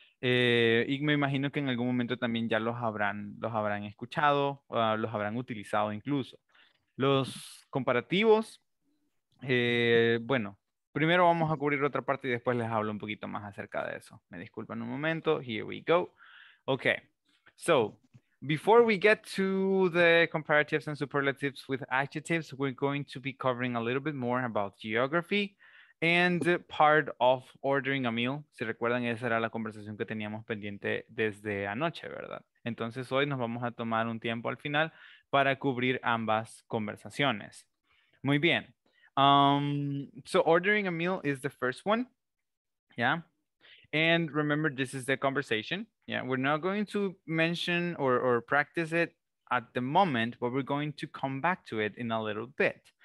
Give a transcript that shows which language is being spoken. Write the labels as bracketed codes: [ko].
[es] Y me imagino que en algún momento también ya los habrán escuchado, los habrán utilizado incluso. Los comparativos... bueno, primero vamos a cubrir otra parte y después les hablo un poquito más acerca de eso. Me disculpan un momento. [en] Here we go. Okay. So, before we get to the comparatives and superlatives with adjectives, we're going to be covering a little bit more about geography and part of ordering a meal. [es] Si recuerdan, esa era la conversación que teníamos pendiente desde anoche, ¿verdad? Entonces, hoy nos vamos a tomar un tiempo al final para cubrir ambas conversaciones. Muy bien. [en] So ordering a meal is the first one, yeah, and remember, this is the conversation. Yeah, we're not going to mention or practice it at the moment, but we're going to come back to it in a little bit.